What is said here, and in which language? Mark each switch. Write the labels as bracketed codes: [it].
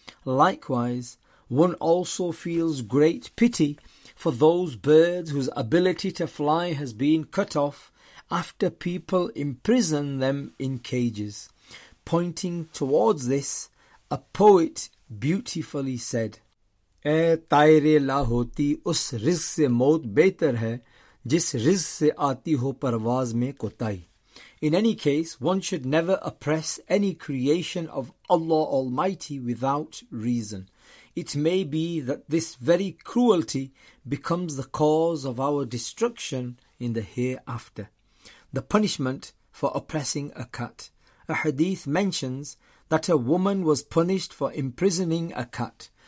[en] Likewise, one also feels great pity for those birds whose ability to fly has been cut off after people imprison them in cages. Pointing towards this, a poet beautifully said, [ur] اے طائرِ لاہوتی اس رزق سے موت بہتر ہے جس رزق سے آتی ہو پرواز میں کوتائی. [en] In any case, one should never oppress any creation of Allah Almighty without reason. It may be that this very cruelty becomes the cause of our destruction in the hereafter. The punishment for oppressing a cat. A hadith mentions that a woman was punished for imprisoning a cat.